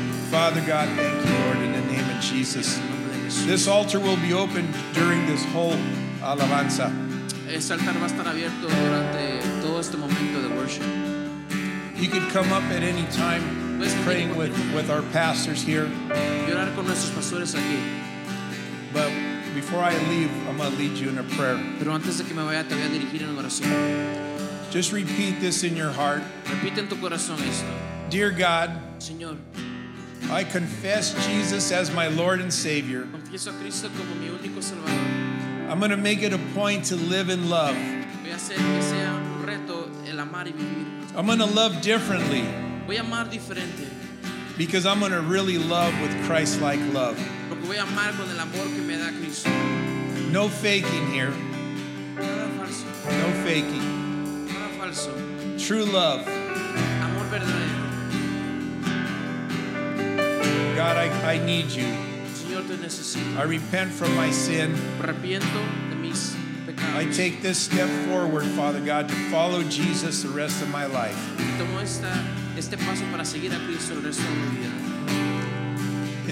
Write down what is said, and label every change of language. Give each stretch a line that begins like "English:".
English: Father God, thank you, Lord, in the name of Jesus. This altar will be open during this whole alabanza.
Spanish: Este altar va a estar abierto durante todo este momento de worship.
English: You can come up at any time praying with our pastors here.
Spanish: Orar con nuestros pastores aquí.
English: But before I leave, I'm going to lead you in a prayer.
Spanish: Pero antes de que me vaya, te voy a dirigir en oración.
English: Just repeat this in your heart.
Spanish: Repite en tu corazón esto.
English: Dear God,
Spanish: Señor,
English: I confess Jesus as my Lord and Savior.
Spanish: Confieso a Cristo como mi único Salvador.
English: I'm going to make it a point to live in love.
Spanish: Voy a hacer que sea un reto el amar y vivir.
English: I'm going to love differently.
Spanish: Voy a amar diferente.
English: Because I'm going to really love with Christ-like love.
Spanish: Porque voy a amar con el amor que me da Cristo.
English: No faking here.
Spanish: Nada falso.
English: No faking.
Spanish: Nada falso.
English: True love.
Spanish: Amor verdadero.
English: God, I need you.
Spanish: Señor, te necesito.
English: I repent from my sin.
Spanish: Arrepiento de mis pecados.
English: I take this step forward, Father God, to follow Jesus the rest of my life.
Spanish: Tomo este paso para seguir a Cristo el resto de mi vida.